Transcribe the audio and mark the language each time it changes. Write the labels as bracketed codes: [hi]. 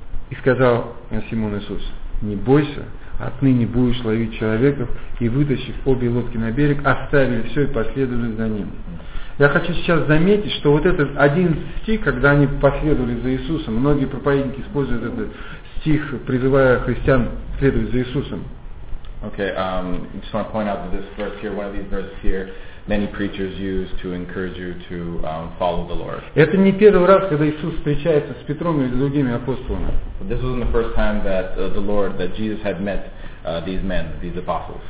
[ru] И сказал Симон Иисус: не бойся, отныне будешь ловить человеков. И вытащив обе лодки на берег, оставили все и последовали за ним. Я хочу сейчас заметить, что вот этот 11 стих, когда они последовали за Иисусом, многие проповедники используют этот стих, призывая христиан следовать за Иисусом. [en] Okay, I just want to point out that this verse here, one of these verses here, many preachers use to encourage you to follow the Lord. [ru] Это не первый раз, когда Иисус встречается с Петром или с другими апостолами. [en] This wasn't the first time that the Lord, that Jesus had met these men, these apostles.